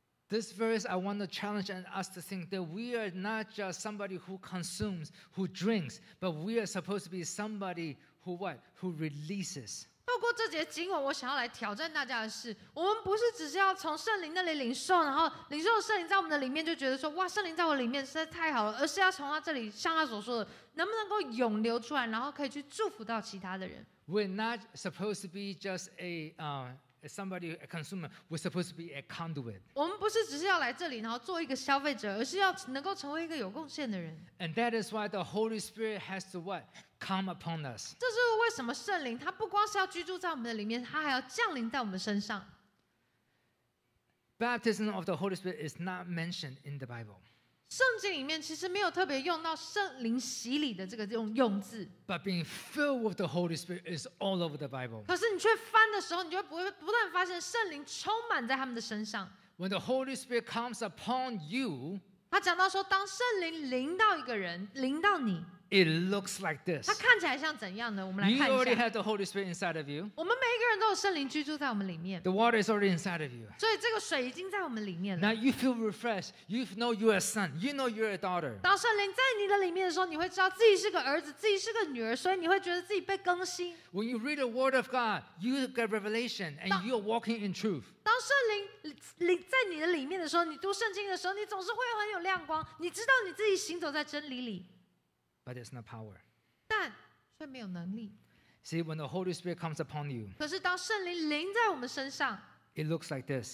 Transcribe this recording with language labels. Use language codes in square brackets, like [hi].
[en] This verse, I want to challenge and us to think that we are not just somebody who consumes, who drinks, but we are supposed to be somebody who what? Who releases. [zh] 透过这节经文，我想要来挑战大家的是，我们不是只是要从圣灵那里领受，然后领受圣灵在我们的里面就觉得说，哇，圣灵在我里面实在太好了，而是要从他这里，像他所说的，能不能够涌流出来，然后可以去祝福到其他的人。 [en] We're not supposed to be just somebody, a consumer, we're supposed to be a conduit. [zh] 我们不是只是要来这里，然后做一个消费者，而是要能够成为一个有贡献的人。 [en] And that is why the Holy Spirit has to what come upon us. [zh] 这是为什么圣灵他不光是要居住在我们的里面，他还要降临在我们身上。 [en] Baptism of the Holy Spirit is not mentioned in the Bible. [zh] 圣经里面其实没有特别用到圣灵洗礼的这个用字。 [en] But being filled with the Holy Spirit is all over the Bible. [zh] 可是你却翻的时候，你就会不断发现圣灵充满在他们的身上。 [en] When the Holy Spirit comes upon you, [zh] 他讲到说，当圣灵临到一个人，临到你 [en] It looks like this. [zh] 它看起来像怎样的？我们来看一下。 [en] You already have the Holy Spirit inside of you. [zh] 我们每一个人都有圣灵居住在我们里面。 [en] The water is already inside of you. [zh] 所以这个水已经在我们里面了。 [en] Now you feel refreshed. You know you're a son. You know you're a daughter. [zh] 当圣灵在你的里面的时候，你会知道自己是个儿子，自己是个女儿，所以你会觉得自己被更新。 [en] When you read the Word of God, you get revelation, and you're walking in truth. [zh] 当圣灵在你的里面的时候，你读圣经的时候，你总是会很有亮光，你知道你自己行走在真理里。 [en] But it's not power. [zh] 但却没有能力。 [en] See, when the Holy Spirit comes upon you, [zh] 可是当圣灵临在我们身上， [en] it looks like this.